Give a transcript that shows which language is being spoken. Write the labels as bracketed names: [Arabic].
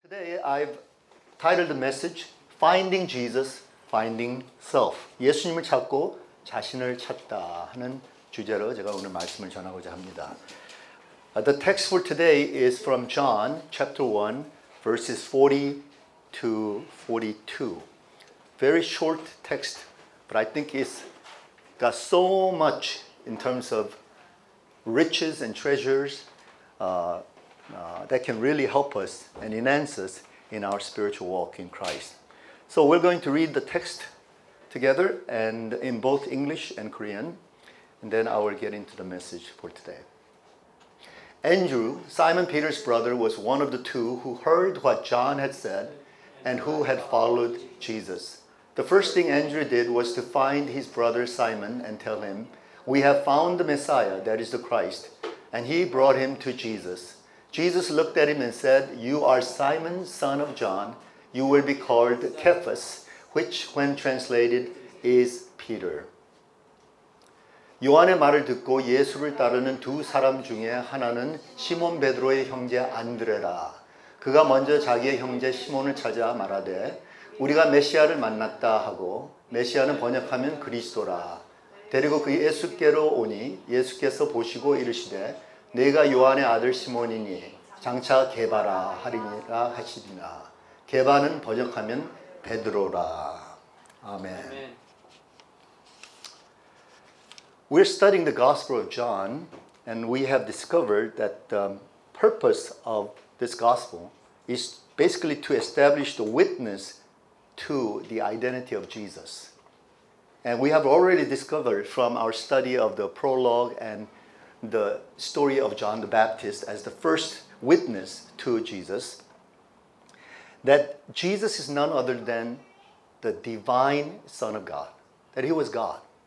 [English] Today, I've titled the message, Finding Jesus, Finding Self. [Korean] 예수님을 찾고 자신을 찾다 하는 주제로 제가 오늘 말씀을 전하고자 합니다. [English] The text for today is from John chapter 1, verses 40 to 42. Very short text, but I think it's got so much in terms of riches and treasures that can really help us and enhance us in our spiritual walk in Christ. So we're going to read the text together and in both English and Korean, and then I will get into the message for today. Andrew, Simon Peter's brother, was one of the two who heard what John had said and who had followed Jesus. The first thing Andrew did was to find his brother Simon and tell him, "We have found the Messiah, that is the Christ," and he brought him to Jesus. Jesus looked at him and said, "You are Simon, son of John. You will be called Cephas," which when translated is Peter. [Korean] 요한의 말을 듣고 예수를 따르는 두 사람 중에 하나는 시몬 베드로의 형제 안드레라. 그가 먼저 자기의 형제 시몬을 찾아 말하되 우리가 메시아를 만났다 하고 메시아는 번역하면 그리스도라. 데리고 그 예수께로 오니 예수께서 보시고 이르시되 내가 요한의 아들 시몬이니 장차 개바라 하리니라 하시니라. 개바는 번역하면 베드로라. 아멘. [English] We're studying the Gospel of John, and we have discovered that the purpose of this Gospel is basically to establish the witness to the identity of Jesus. And we have already discovered from our study of the prologue and the story of John the Baptist as the first witness to Jesus, that Jesus is none other than the divine Son of God, that he was God.